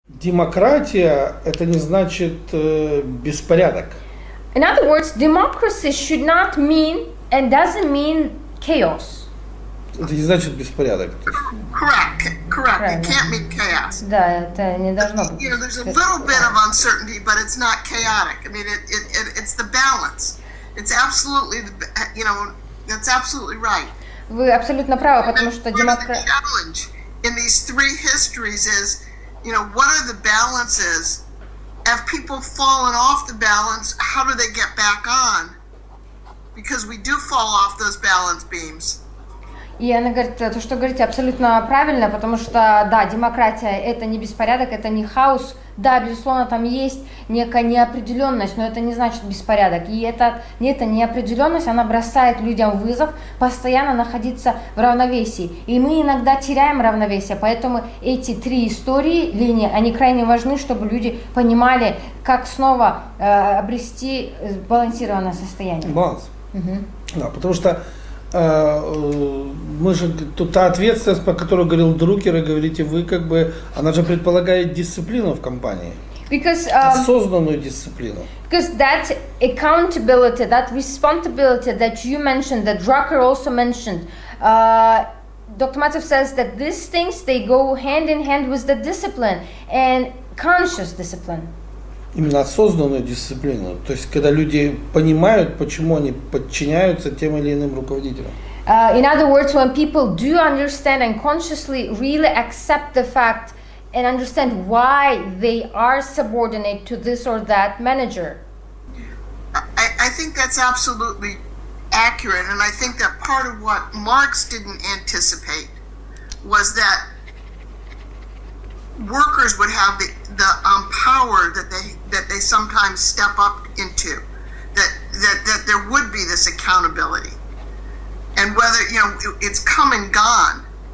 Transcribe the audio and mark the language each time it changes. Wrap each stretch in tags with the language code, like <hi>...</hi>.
<ru>Демократия – это не значит беспорядок.</ru> <en>In other words, democracy should not mean and doesn't mean chaos.</en> <ru>Это не значит беспорядок.</ru> <en>Correct. It can't mean chaos.</en> <ru>Да, это не должно быть.</ru> <en>You know, there's a little bit of uncertainty, but it's not chaotic. I mean, it's the balance. It's absolutely, you know, that's absolutely right.</en> <ru>Вы абсолютно правы, потому что демократия.</ru> <en>The challenge in these three histories is, you know, what are the balances? Have people fallen off the balance? How do they get back on? Because we do fall off those balance beams.</en> <ru>И она говорит, то, что говорите, абсолютно правильно, потому что, да, демократия – это не беспорядок, это не хаос. Да, безусловно, там есть некая неопределенность, но это не значит беспорядок. И эта неопределенность, она бросает людям вызов постоянно находиться в равновесии. И мы иногда теряем равновесие, поэтому эти три истории, линии, они крайне важны, чтобы люди понимали, как снова обрести балансированное состояние. Баланс. Да, потому что... Мы же тут та ответственность, по которой говорил Друкер, и говорите вы, как бы, она же предполагает дисциплину в компании, осознанную дисциплину.</ru> <en>Because that accountability, that responsibility that you mentioned, that Drucker also mentioned, Dr. Matsev says that these things they go hand in hand with the discipline and conscious discipline.</en> <ru>Именно осознанную дисциплину, то есть когда люди понимают, почему они подчиняются тем или иным руководителям.</ru> <en>In other words, when people do understand and consciously really accept the fact and understand why they are subordinate to this or that manager. I think that's absolutely accurate, and I think that part of what Marx didn't anticipate was that workers would have the power that they sometimes step up into, that there would be this accountability, and whether, you know, it's come and gone.</en>